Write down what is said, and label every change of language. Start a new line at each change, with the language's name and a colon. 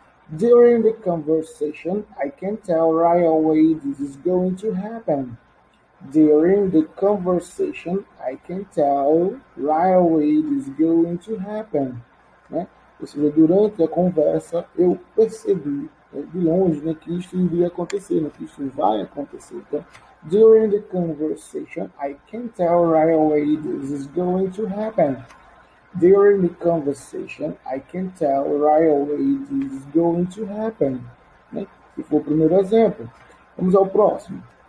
English: During the conversation, I can tell right away this is going to happen. During the conversation, I can tell right away this is going to happen.
Portuguese: Né? Ou seja, durante a conversa, eu percebi, né, de longe, né, que isso iria acontecer, né, que isso vai acontecer. Então,
English: during the conversation, I can tell right away this is going to happen. During the conversation, I can tell right away this is going to happen. Né?
Portuguese: Se for o primeiro exemplo. Vamos ao próximo.